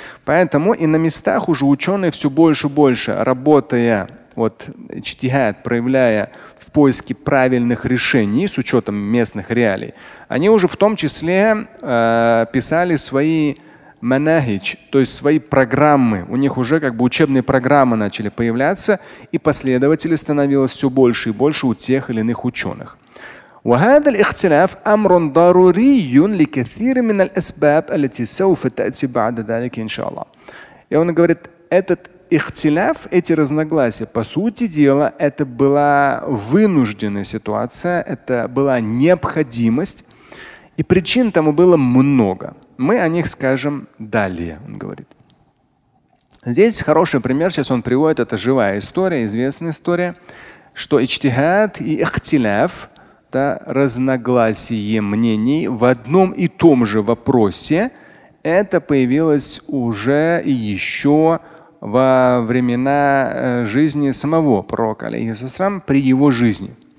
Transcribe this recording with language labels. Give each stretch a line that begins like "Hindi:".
Russian: Поэтому и на местах уже ученые все больше и больше, работая, вот ичтихад, проявляя в поиске правильных решений с учетом местных реалий, они уже в том числе писали свои манахидж, то есть свои программы. У них уже как бы учебные программы начали появляться, и последователей становилось все больше и больше у тех или иных ученых.
Arabic: وهذا الاختلاف امر ضروري لكثير من الاسباب التي سوف تاتي بعد ذلك ان شاء الله.
Russian: И он говорит, этот ихтиляф, эти разногласия, по сути дела, это была вынужденная ситуация, это была необходимость, и причин тому было много. Мы о них скажем далее, он говорит. Здесь хороший пример, сейчас он приводит, это живая история, известная история, что ичтихад и ихтиляф, да, разногласие мнений в одном и том же вопросе, это появилось уже и еще во времена жизни самого пророка, алейхиссалям, при его жизни.